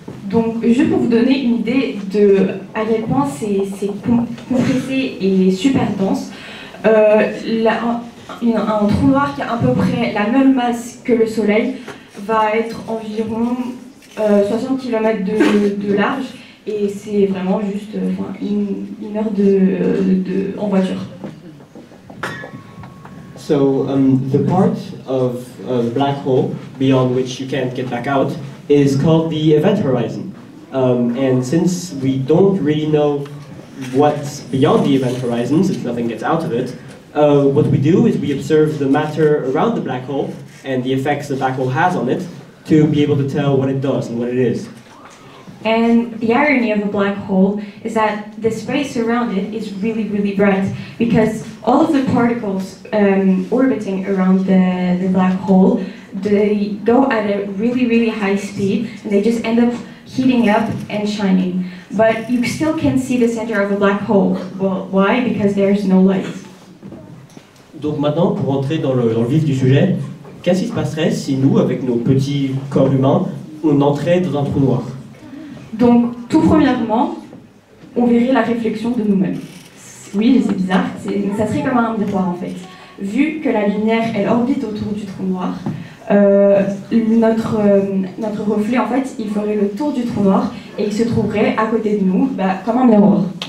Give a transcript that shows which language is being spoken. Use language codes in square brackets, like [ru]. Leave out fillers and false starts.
[fr] Donc, juste pour vous donner une idée de à quel point c'est compressé et super dense, un trou noir qui a à peu près la même masse que le Soleil va être environ 60 km de large, et c'est vraiment juste une heure de en voiture. [en] So, the part of a black hole beyond which you can't get back out is called the event horizon. And since we don't really know what's beyond the event horizon, since nothing gets out of it, what we do is we observe the matter around the black hole and the effects the black hole has on it to be able to tell what it does and what it is. And the irony of a black hole is that the space around it is really, really bright, because all of the particles orbiting around the black hole, they go at a really, really high speed and they just end up heating up and shining, but you still can see the center of a black hole. Well, why? Because there's no light. [fr] Donc maintenant, pour entrer dans le vif du sujet, qu'est-ce qui se passerait si nous, avec nos petits corps humains, on entrait dans un trou noir? Donc, tout premièrement, on verrait la réflexion de nous-mêmes. Oui, c'est bizarre, ça serait comme un miroir en fait. Vu que la lumière, elle orbite autour du trou noir, notre reflet, en fait, il ferait le tour du trou noir et il se trouverait à côté de nous, comme un miroir.